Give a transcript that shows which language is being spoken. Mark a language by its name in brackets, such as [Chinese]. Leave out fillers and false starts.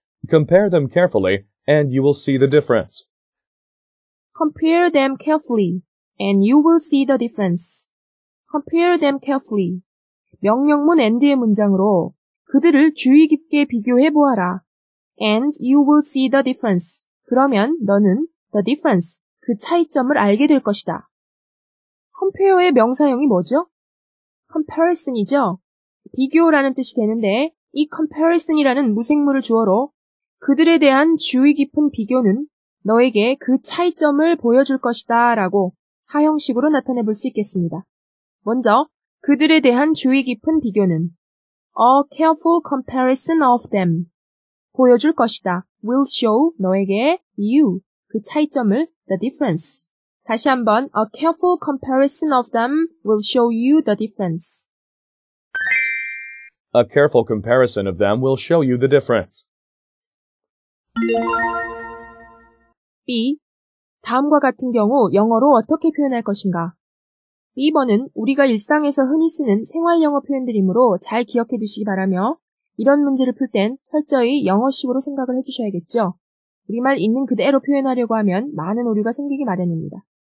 [English] Compare them carefully and you will see the difference. Compare them carefully and you will see the difference. Compare them carefully. [Korean] 명령문 end의 문장으로 그들을 주의 깊게 비교해 보아라. [English] And you will see the difference. [Korean] 그러면 너는 [English] the difference, [Korean] 그 차이점을 알게 될 것이다. compare의 명사형이 뭐죠? comparison이죠? 비교라는 뜻이 되는데 이 comparison이라는 무생물을 주어로 그들에 대한 주의 깊은 비교는 너에게 그 차이점을 보여줄 것이다 라고 사형식으로 나타내 볼 수 있겠습니다. 먼저 그들에 대한 주의 깊은 비교는 [English] a careful comparison of them [Korean] 보여줄 것이다. [English] will show [Korean] 너에게 [English] you [Korean] 그 차이점을 [English] the difference. [Korean] 다시 한번 [English] a careful comparison of them will show you the difference. A careful comparison of them will show you the difference. B. [Korean] 다음과 같은 경우 영어로 어떻게 표현할 것인가? B번은 우리가 일상에서 흔히 쓰는 생활 영어 표현들이므로 잘 기억해 두시기 바라며 이런 문제를 풀 땐 철저히 영어식으로 생각을 해 주셔야겠죠. 우리말 있는 그대로 표현하려고 하면 많은 오류가 생기기 마련입니다.